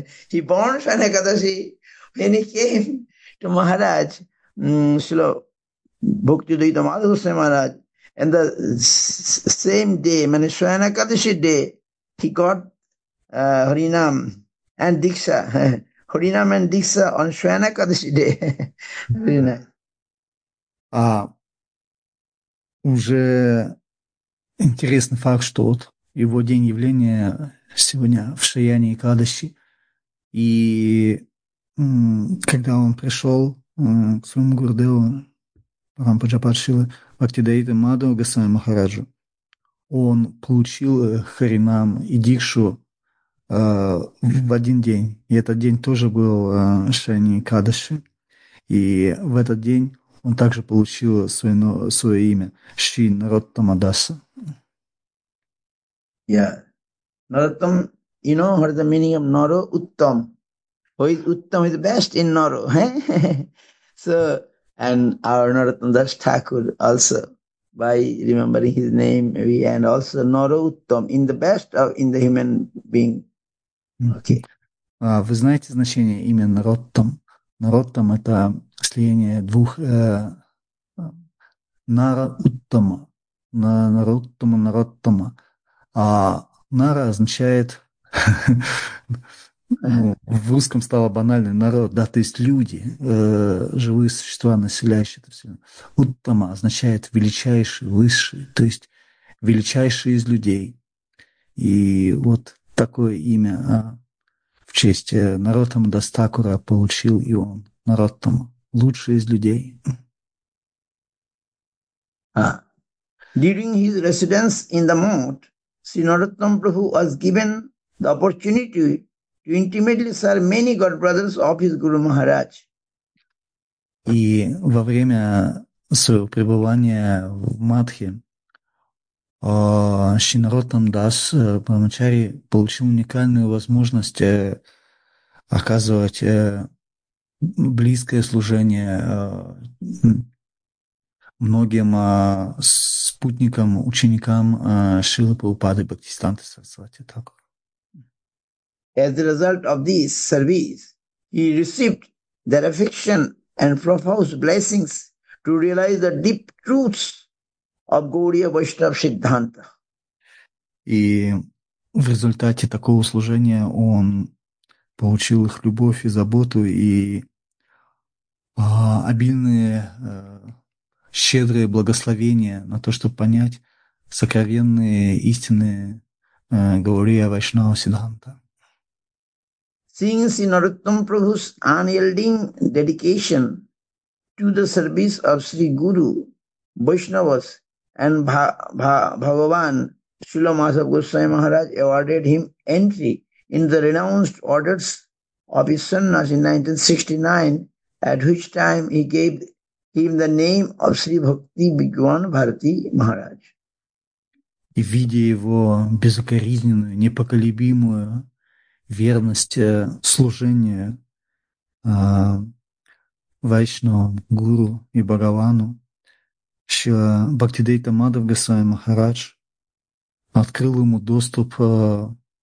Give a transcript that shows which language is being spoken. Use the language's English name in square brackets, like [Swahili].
[English] He born Shwana Ekadashi. When he came to Maharaj, Srila Bhaktivedanta Madhava Goswami Maharaj, and the same day, when Shwana Ekadashi day, he got Harinam and Diksha. Harinam and Diksha on Shwana Ekadashi day. Very nice. [Russian] Уже интересный факт, что вот его день явления сегодня в Шаяне и Кадаши. И когда он пришел к своему Гурудеву, Парампаджапад Шрила Бхактивейданта Мадхава Госвами Махараджу, он получил харинам и дикшу в один день. И этот день тоже был Шаяне и Кадаши. И в этот день он также получил свое имя Шри Нароттама Даса. [English] Yeah. Нароттам, you know what is the meaning of Наро? [Sanskrit] Уттам. [English] Who is Уттам is best in Наро. So, and our Нароттам Дас Такур also, by remembering his name, we, and also Наро Уттам, in the best of, in the human being. Okay. [Russian] Вы знаете значение имя Нароттам? Нароттам – это слияние двух нара-уттама. Нароттама, нароттама. А нара означает, в русском стало банально, народ, да, то есть люди, живые существа, населяющие это все. Уттама означает величайший, высший, то есть величайший из людей. И вот такое имя в честь Нароттама Дас Такура получил и он. Народ там лучший из людей. [English] During his residence in the mount, Sri Narottam Prabhu was given the opportunity to intimately serve many god brothers of his Guru Maharaj. [Russian] И во время своего пребывания в Мадхе, Sri Narottam Das Brahmachari получил уникальную возможность оказывать близкое служение многим спутникам, ученикам Шрилы Прабхупады Бхактисиддханты Сарасвати Такур. [English] As a result of this service, he received their affection and profound blessings to realize the deep truths of Gaudiya Vaishnava Siddhanta. [Russian] И в результате такого служения он получил их любовь и заботу и обильные, щедрые благословения на то, чтобы понять сокровенные истины Гаурия Вайшнава Сиддханта. [English] Seeing Sri Narottam Prabhu's unyielding dedication to the service of Sri Guru, Vaishnavas and Bhagavan Srila Madhava Goswami Maharaj awarded him entry in the renounced orders of his sannyas in 1969, at which time he gave him the name of Sri Bhakti Bhigwan Bharati Maharaj. [Russian] И видя его безукоризненную, непоколебимую верность служения Вайшнавам, Гуру и Бхагавану, Шрила Бхактивейданта Мадхава Госвами Махарадж открыл ему доступ в...